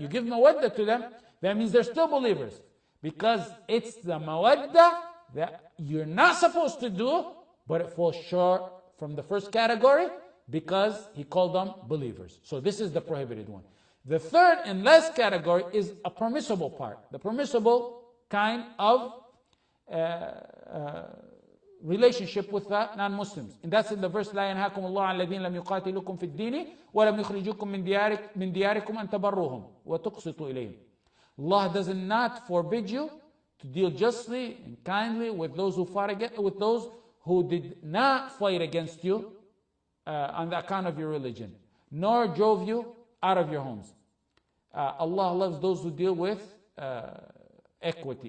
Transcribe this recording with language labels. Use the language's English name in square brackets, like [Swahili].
[English] You give مَوَدَّ to them. That means they're still believers. Because it's the mawadda that you're not supposed to do, but it falls short from the first category because he called them believers. So this is the prohibited one. The third and last category is a permissible part, the permissible kind of relationship with the non-Muslims. And that's in the verse, [Arabic] لا ينهاكم الله عن الذين لم يقاتلوكم في الدين ولم يخرجوكم من دياركم أن تبروهم وتقسطوا إليهم. [English] Allah does not forbid you to deal justly and kindly with those who fought against, with those who did not fight against you on the account of your religion, nor drove you out of your homes. Allah loves those who deal with equity.